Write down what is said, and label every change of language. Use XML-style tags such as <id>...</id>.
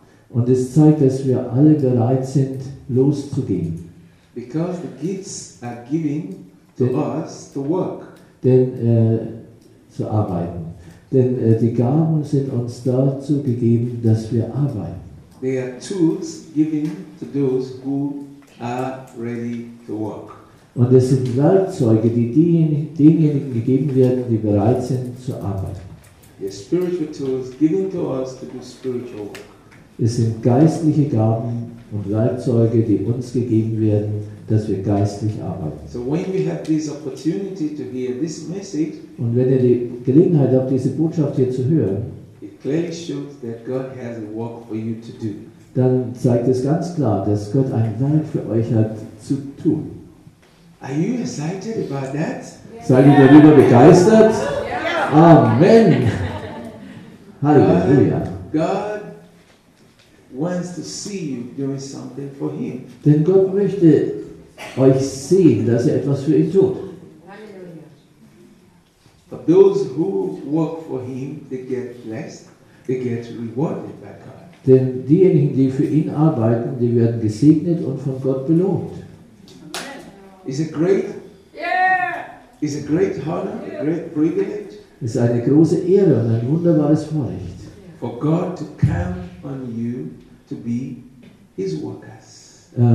<de>Und es zeigt, dass wir alle bereit sind, loszugehen.</de> <en>Because the gifts are given to us to work.</en> <de>Denn zu arbeiten. Denn die Gaben sind uns dazu gegeben, dass wir arbeiten.</de> <en>They are tools given to those who are ready to work.</en> <de>Und es sind Werkzeuge, die denjenigen gegeben werden, die bereit sind zu arbeiten.</de> <en>They are spiritual tools given to us to do spiritual work.</en> <de>Es sind geistliche Gaben und Werkzeuge, die uns gegeben werden, dass wir geistlich arbeiten.</de> <en>So when we have this opportunity to hear this message,</en> <de>und wenn ihr die Gelegenheit habt, diese Botschaft hier zu hören,</de> <en>it clearly shows that God has a work for you to do.</en> <de>Dann zeigt es ganz klar, dass Gott ein Werk für euch hat zu tun.</de> <en>Are you excited about that?</en> <de>Seid ihr darüber begeistert?</de> <en>Yeah.</en> <de>Amen. Halleluja.</de> <en>God wants to see you doing something for him.</en> <de>Denn Gott möchte euch sehen, dass ihr etwas für ihn tut.</de> <en>But those who work for him, they get blessed, they get rewarded by God.</en> <de>Denn diejenigen, die für ihn arbeiten, die werden gesegnet und von Gott belohnt.</de> <en>Is it great? Yeah. Is it great honor, a great privilege?</en> <de>Ist eine große Ehre und ein wunderbares Vorrecht.</de> <en>For God to count on you to be his workers.</en>